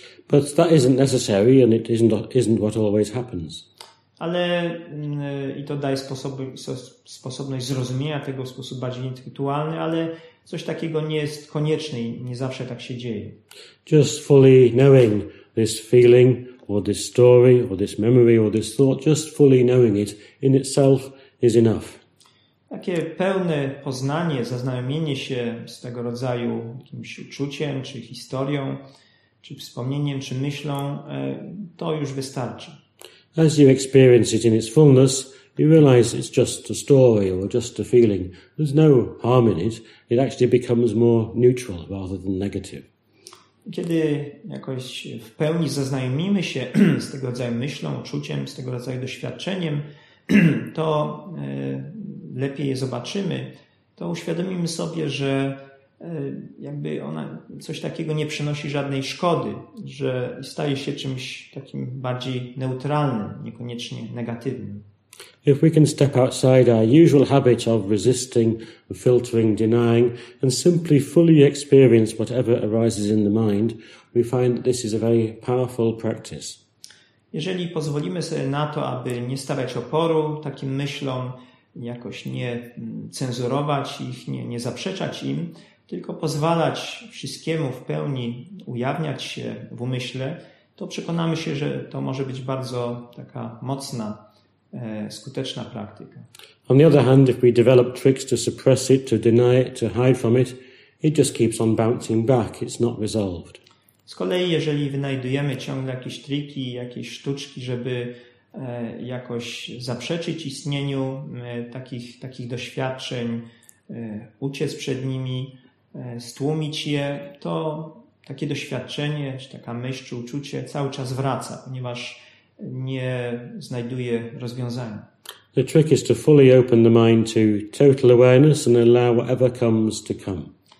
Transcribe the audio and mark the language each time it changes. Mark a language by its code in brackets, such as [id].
[en] But that isn't necessary and it isn't what always happens. [pl] Ale i to daje sposobność zrozumienia tego w sposób bardziej intelektualny, ale coś takiego nie jest konieczne i nie zawsze tak się dzieje. [en] Just fully knowing this feeling or this story or this memory or this thought, just fully knowing it in itself is enough. [pl] Takie pełne poznanie, zaznajomienie się z tego rodzaju jakimś uczuciem, czy historią, czy wspomnieniem, czy myślą, to już wystarczy. [en] As you experience it in its fullness, you realize it's just a story or just a feeling. There's no harm in it. It actually becomes more neutral rather than negative. [pl] Kiedy jakoś w pełni zaznajomimy się z tego rodzaju myślą, uczuciem, z tego rodzaju doświadczeniem, to lepiej je zobaczymy, to uświadomimy sobie, że jakby ona coś takiego nie przynosi żadnej szkody, że staje się czymś takim bardziej neutralnym, niekoniecznie negatywnym. [en] If we can step outside our usual habit of resisting, filtering, denying, and simply fully experience whatever arises in the mind, we find that this is a very powerful practice. [pl] Jeżeli pozwolimy sobie na to, aby nie stawiać oporu takim myślom, jakoś nie cenzurować ich, nie zaprzeczać im, tylko pozwalać wszystkiemu w pełni ujawniać się w umyśle, to przekonamy się, że to może być bardzo taka mocna, skuteczna praktyka. [en] On the other hand, if we develop tricks to suppress it, to deny it, to hide from it, it just keeps on bouncing back, it's not resolved. [pl] Z kolei, jeżeli wynajdujemy ciągle jakieś triki, jakieś sztuczki, żeby jakoś zaprzeczyć istnieniu takich doświadczeń, uciec przed nimi, stłumić je, to takie doświadczenie, czy taka myśl, czy uczucie cały czas wraca, ponieważ nie znajduje rozwiązania. [en] The trick is to fully open the mind to total awareness and allow whatever comes to come.